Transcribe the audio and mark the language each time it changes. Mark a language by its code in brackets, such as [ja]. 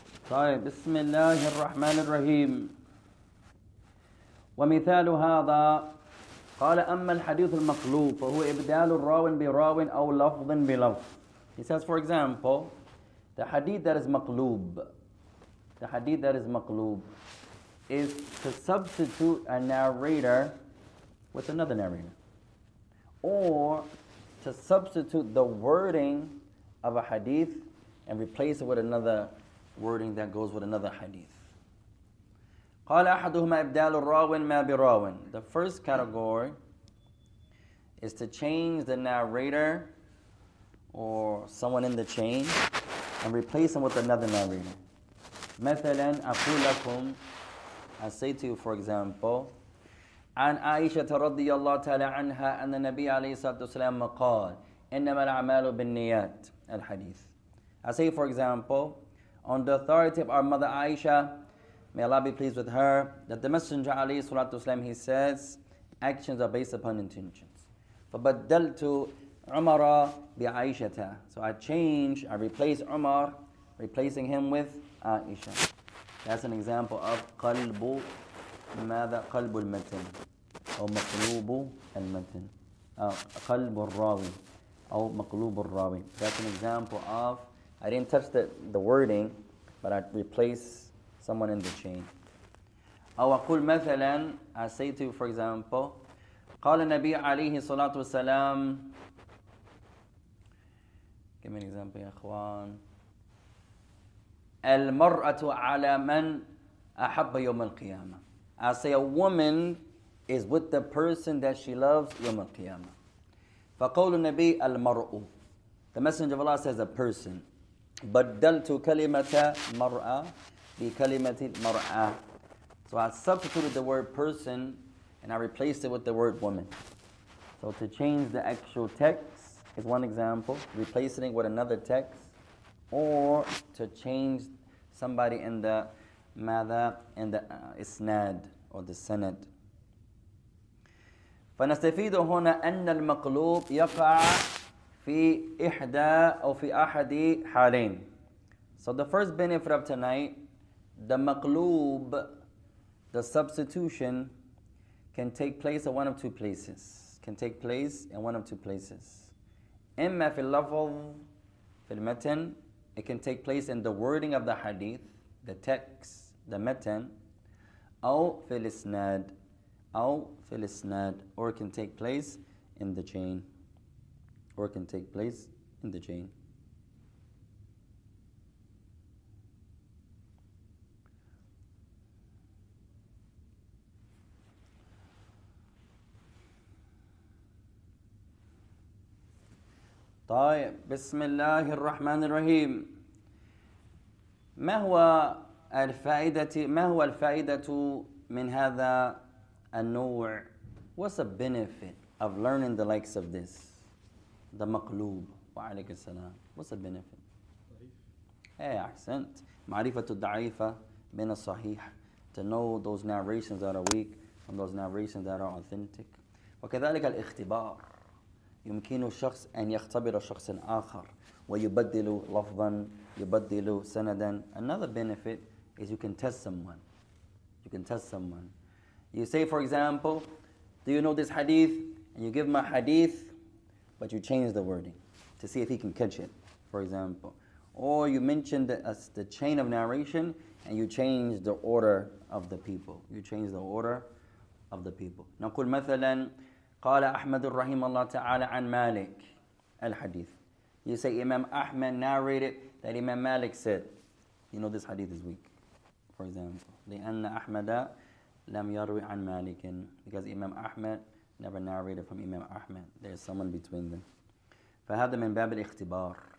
[ar] طيب, بسم الله الرحمن الرحيم. ومثال هذا قال أما الحديث المقلوب فهو إبدال الراوي براوي أو لفظ بلفظ. [en] He says, for example, the hadith that is maqloob is to substitute a narrator with another narrator, or to substitute the wording of a hadith and replace it with another wording that goes with another hadith. [ar] قال أحدهما إبدال الراوي ما براوي. [en] The first category is to change the narrator or someone in the chain and replace them with another narrator. [ar] مثلاً أقول لكم, [en] I say to you, for example, [ar] عن عائشة رضي الله تعالى عنها أن النبي عليه الصلاة والسلام قال إنما الأعمال بالنيات. الحديث. [en] I say, for example, on the authority of our mother Aisha, may Allah be pleased with her, that the Messenger alayhi salatu wasalam, he says, actions are based upon intentions. [ar] فَبَدَّلْتُ عُمَرَ بِعَيْشَةَ. [en] So I change, I replace Umar, replacing him with Aisha. That's an example of [ar] قَلْبُ مَاذَا قَلْبُ الْمَتِنِ أو مَقْلُوبُ الْمَتِنِ قَلْبُ الرَّاوِي أو مَقْلُوبُ الرَّاوِي. [en] That's an example of, I didn't touch the wording, but I replace someone in the chain. [ar] أو أقول مثلا, [en] I say to you, for example, [ar] قال النبي عليه الصلاة والسلام, [en] give me an example, [ar] يا أخوان. المرأة على من أحب يوم القيامة. [en] I say a woman is with the person that she loves [ar] يوم القيامة. فقول النبي المرء. [en] The Messenger of Allah says a person. [ar] بدلت كلمة مرأة بكلمة مرأة. [en] So I substituted the word person and I replaced it with the word woman. So to change the actual text is one example, replacing it with another text, or to change somebody in the ماذا, in the إسناد or the سند. [ar] فنستفيد هنا أن المقلوب يقع في إحدى أو في أحد حالين. [en] So the first benefit of tonight, the مقلوب, the substitution, can take place in one of two places. Can take place in one of two places. [ar] إما في اللفظ في المتن. [en] It can take place in the wording of the hadith, the text, the metin. [ar] أو في الإسناد. أو في الإسناد. [en] Or it can take place in the chain. Or can take place in the chain. [ar] طيب, بسم الله الرحمن الرحيم. ما هو الفائدة ما هو الفائدة من هذا النوع؟ [en] What's the benefit of learning the likes of this? The [ar] مقلوب وعليك السلام. [en] What's the benefit? [ar] ضعيف. إيه أحسنت. معرفة الضعيفة من الصحيح. [en] To know those narrations that are weak from those narrations that are authentic. [ar] وكذلك الاختبار. يمكن الشخص أن يختبر شخص آخر ويبدل لفظا يبدل سندا. [en] Another benefit is you can test someone. You can test someone. You say, for example, do you know this hadith? And you give him a hadith, but you change the wording to see if he can catch it, for example. Or you mention the chain of narration and you change the order of the people. You change the order of the people. [ar] نقول مثلا قال أحمد رحمه الله تعالى عن مالك الحديث. [en] You say Imam Ahmed narrated that Imam Malik said. You know this hadith is weak, for example. [ar] لأن أحمد لم يروي عن مالك. [en] Because Imam Ahmed never narrated from Imam Ahmed. There is someone between them. [ar] فهذا من باب الاختبار.